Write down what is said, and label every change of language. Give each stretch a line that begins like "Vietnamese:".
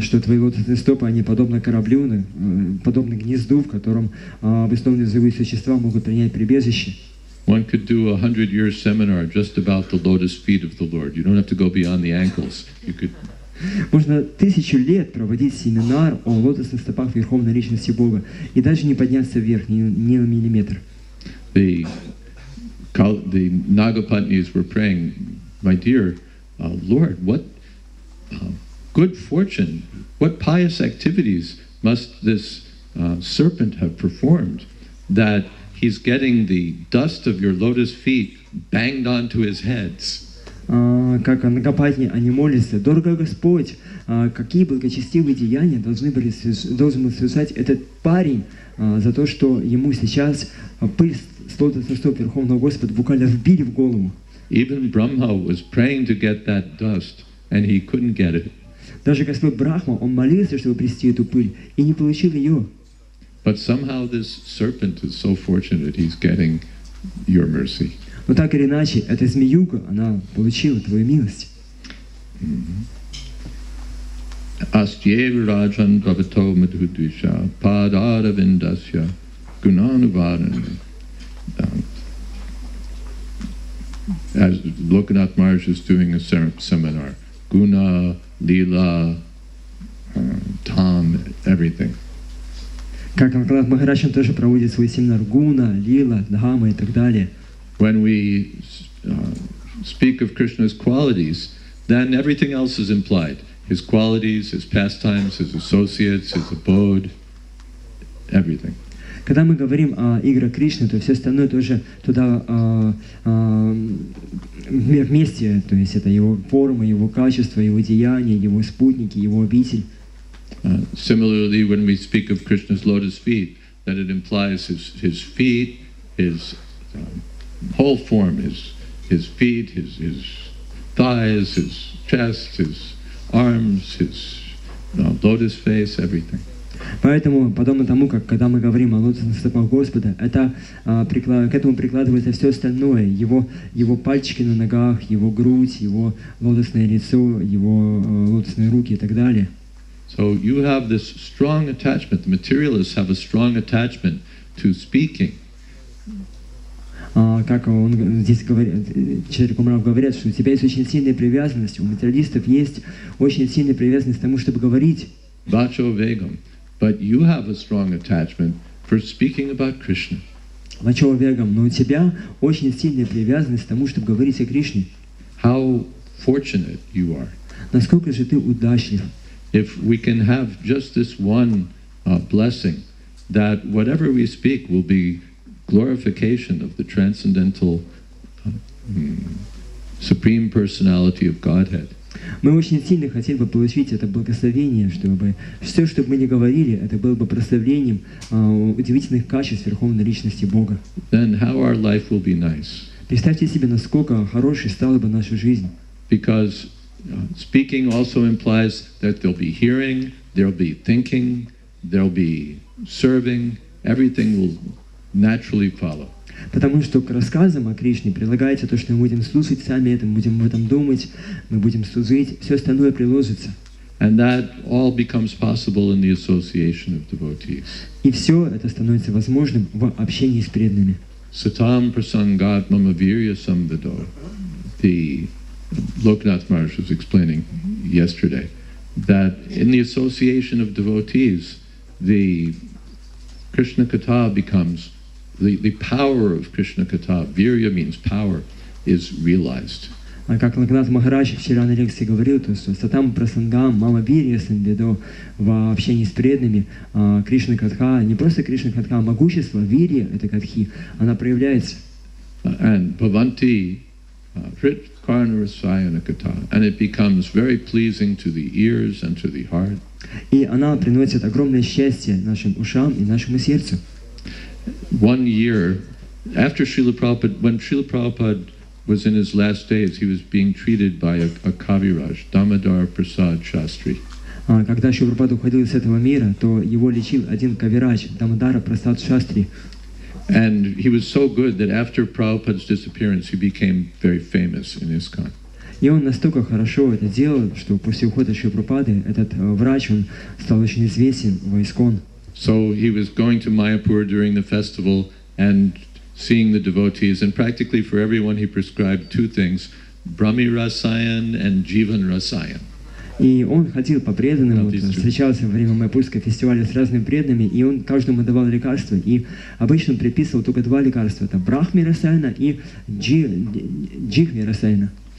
Russian: Что твои лотосные стопы они подобны кораблю, подобны гнезду, в котором обусловленные живые существа могут принять прибежище.
English: One could do a 100-year seminar just about the lotus feet of the Lord. You don't have to go beyond the ankles. You could.
Russian: Можно 1000 лет проводить семинар о лотосных стопах Верховной Личности Бога и даже не подняться вверх ни на миллиметр.
English: The Nagapatnis were praying, my dear Lord, what good fortune, what pious activities must this serpent have performed that he's getting the dust of your lotus feet banged onto his heads.
Russian: Как нагопатни они молятся, дорогой Господь, какие благочестивые деяния должен был связать этот парень за то, что ему сейчас пыль с лотосных стоп Верховного Господа буквально вбили в голову.
English: Even Brahma was praying to get that dust, and he couldn't get it.
Russian: Даже Господь Брахма, он молился, чтобы принести эту пыль, и не получил ее.
English: But somehow this serpent is so fortunate he's getting your mercy.
Russian: Но так или иначе, эта змеюка, она получила твою милость.
Sanskrit: Astyeva Rajan Bhavato Madhudvisha Padara Vindasya Gunanubhadane.
English: As Lokanath Maharaj is doing a seminar, Guna, Lila, Tam, everything.
Russian: Как Лакнат Махарадж тоже проводит свой семинар Гуна, Лила, Дхама и так далее.
English: When we speak of Krishna's qualities, then everything else is implied. His qualities, his pastimes, his associates, his abode, everything.
Russian: Когда мы говорим о играх Кришны, то все остальное тоже туда вместе, то есть это его форма, его качество, его деяния, его спутники, его обитель.
English: Similarly, when we speak of Krishna's lotus feet, then it implies his feet, his whole form, his feet, his thighs, his chest, his arms, his lotus face, everything.
Russian: Поэтому, подобно тому, как когда мы говорим о лотосных стопах Господа, это к этому прикладывается все остальное, его пальчики на ногах, его грудь, его лотосное лицо, его лотосные руки и так далее.
English: So you have this strong attachment, the materialists have a strong attachment to speaking.
Russian: Как он здесь говорит, Чатри Кумрав говорит, что у тебя есть очень сильная привязанность, у материалистов есть очень сильная привязанность к тому, чтобы говорить.
Sanskrit: Вачо вегам.
English: But you have a strong attachment for speaking about Krishna.
Sanskrit: Вачала Вегам,
Russian: но у тебя очень сильная привязанность к тому, чтобы говорить о Кришне.
English: How fortunate you are.
Russian: Насколько же ты удачлив.
English: If we can have just this one blessing, that whatever we speak will be glorification of the transcendental supreme personality of Godhead.
Russian: Мы очень сильно хотели бы получить это благословение, чтобы все, что бы мы ни говорили, это было бы прославлением удивительных качеств Верховной Личности Бога.
English: Then how our life will be nice.
Russian: Представьте себе, насколько хорошей стала бы наша жизнь.
English: Because speaking also implies that there'll be hearing, there'll be thinking, there'll be serving, everything will naturally follow.
Russian: Потому что к рассказам о Кришне прилагается то, что мы будем слушать сами это, мы будем об этом думать, мы будем служить, все остальное приложится.
English: And that all becomes possible in the association of devotees.
Russian: И все это становится возможным в общении с преданными.
Sanskrit: Satam prasangat mama virya samvido.
English: The Loknath Maharaj was explaining yesterday that in the association of devotees, the Krishna Katha becomes the power of Krishna Katha, virya means power, is realized.
Russian: Как Локнатх Махарадж вчера на лекции говорил, то есть
Sanskrit: сатам прасангам мама вирья самведо
Russian: в общении с преданными, Кришна Катха, не просто Кришна Катха, а могущество, вирья это катхи, она проявляется.
English: And
Sanskrit: bhavanti hritkarna rasayana katha,
English: and it becomes very pleasing to the ears and to the heart.
Russian: И она приносит огромное счастье нашим ушам и нашему сердцу.
English: One year after Srila Prabhupada, when Srila Prabhupada was in his last days, he was being treated by a Kaviraj, Damodar Prasad Shastri.
Russian: Когда Шрила Прабхупада уходил из этого мира, то его лечил один Кавирадж, Дамодара Прасад Шастри.
English: And he was so good that after Prabhupada's disappearance, he became very famous in ISKCON.
Russian: И он настолько хорошо это делал, что после ухода Шрила Прабхупады этот врач он стал очень известен в ISKCON.
English: So he was going to Mayapur during the festival and seeing the devotees, and practically for everyone he prescribed two things, Brahmi Rasayan and Jivan Rasayan.
Russian: И он ходил по преданным, встречался во время майпурского фестиваля с разными преданными, и он каждому давал лекарства, и обычно предписывал только два лекарства, это Брахми Расайна и Джихми Расайна.